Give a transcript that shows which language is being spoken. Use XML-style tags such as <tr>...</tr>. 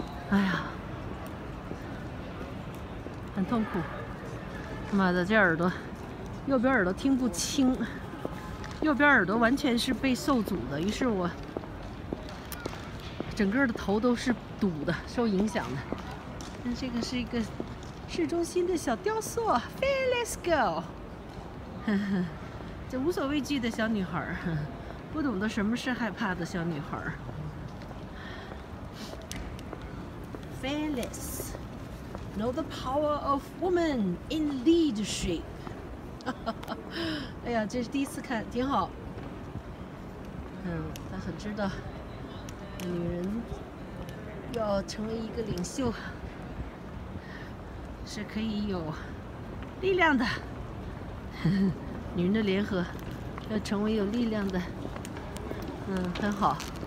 <zh>哎呀，很痛苦，他妈的这耳朵，右边耳朵听不清，右边耳朵完全是被受阻的，于是我整个的头都是堵的，受影响的。但这个是一个市中心的小雕塑 ，</zh> <en>Let's go，</en> <zh>这无所畏惧的小女孩，不懂得什么是害怕的小女孩。</zh> <en>Fearless， know the power of woman in leadership 。</en> <zh>哎呀，这是第一次看，挺好。她很知道。女人要成为一个领袖是可以有力量的，女人的联合要成为有力量的，很好。</zh>